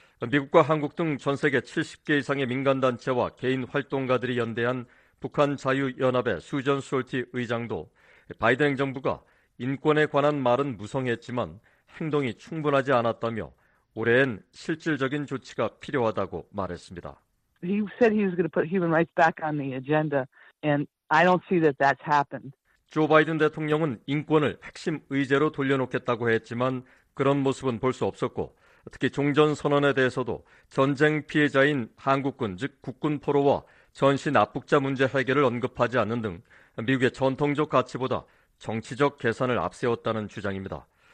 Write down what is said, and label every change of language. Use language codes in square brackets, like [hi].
[ko] 미국과 한국 등 전 세계 70개 이상의 민간단체와 개인 활동가들이 연대한 북한자유연합의 수전 솔티 의장도 바이든 행정부가 인권에 관한 말은 무성했지만 행동이 충분하지 않았다며 올해엔 실질적인 조치가 필요하다고 말했습니다. [en] He said he was going to put human rights back on the agenda, and I don't see that that's happened. [ko] 조 바이든 대통령은 인권을 핵심 의제로 돌려놓겠다고 했지만 그런 모습은 볼 수 없었고 특히 종전 선언에 대해서도 전쟁 피해자인 한국군 즉 국군 포로와 전시 납북자 문제 해결을 언급하지 않는 등 미국의 전통적 가치보다 정치적 계산을 앞세웠다는 주장입니다.